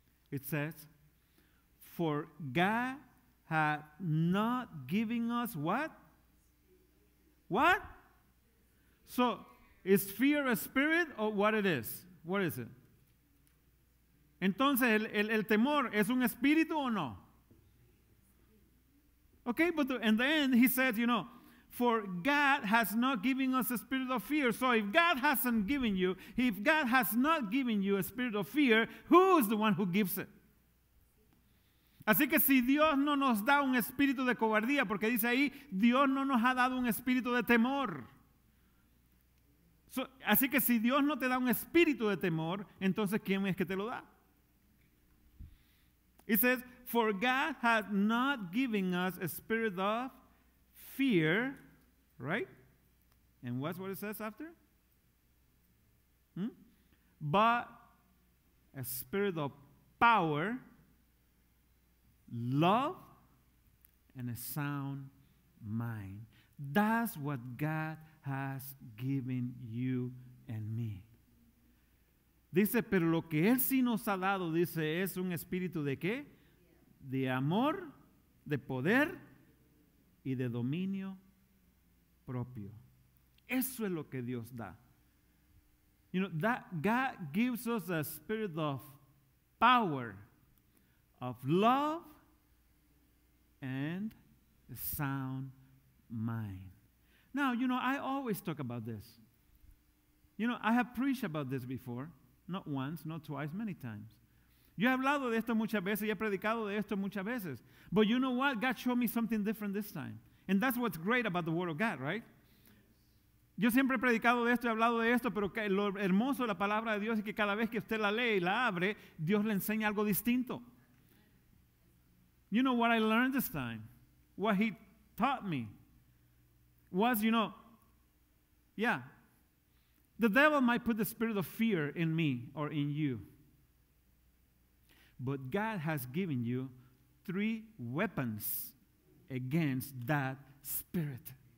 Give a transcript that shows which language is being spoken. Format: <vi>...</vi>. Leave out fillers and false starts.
<en>It says, "For God hath not given us what? What? So, is fear a spirit or what it is? What is it?</en> <es>Entonces, el temor, ¿es un espíritu o no?</es> <en>Okay, but in the end, he says, you know, for God has not given us a spirit of fear. So, if God hasn't given you, if God has not given you a spirit of fear, who is the one who gives it?</en> <es>Así que si Dios no nos da un espíritu de cobardía, porque dice ahí, Dios no nos ha dado un espíritu de temor. So, así que si Dios no te da un espíritu de temor, entonces ¿quién es que te lo da?</es> <en>It says, for God has not given us a spirit of fear, right? And what's what it says after? But a spirit of power, love, and a sound mind. That's what God has given you and me.</en> <es>Dice, pero lo que Él sí nos ha dado, dice, es un espíritu de qué? De amor, de poder y de dominio propio. Eso es lo que Dios da.</es> <en>You know, that God gives us a spirit of power, of love, and a sound mind. Now, you know, I always talk about this. You know, I have preached about this before. Not once, not twice, many times.</en> <es>Yo he hablado de esto muchas veces, y he predicado de esto muchas veces.</es> <en>But you know what? God showed me something different this time. And that's what's great about the Word of God, right?</en> <es>Yo siempre he predicado de esto, he hablado de esto, pero lo hermoso de la palabra de Dios es que cada vez que usted la lee y la abre, Dios le enseña algo distinto.</es> <en>You know what I learned this time? What He taught me was, you know, yeah, the devil might put the spirit of fear in me or in you, but God has given you three weapons against that spirit.</en>